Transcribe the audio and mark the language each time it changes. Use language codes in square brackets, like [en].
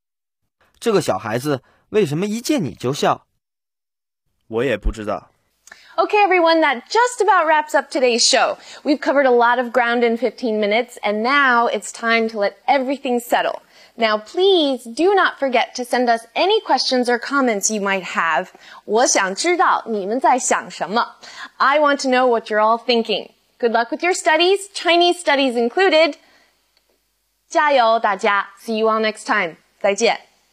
[zh] 他一接到兰兰的电话就出去了。这个小孩子为什么一见你就笑? 我也不知道。 [en] Okay, everyone, that just about wraps up today's show. We've covered a lot of ground in 15 minutes, and now it's time to let everything settle. Now, please do not forget to send us any questions or comments you might have. [zh] 我想知道你们在想什么? [en] I want to know what you're all thinking. Good luck with your studies, Chinese studies included. [zh] 加油,大家. [en] See you all next time. 再见.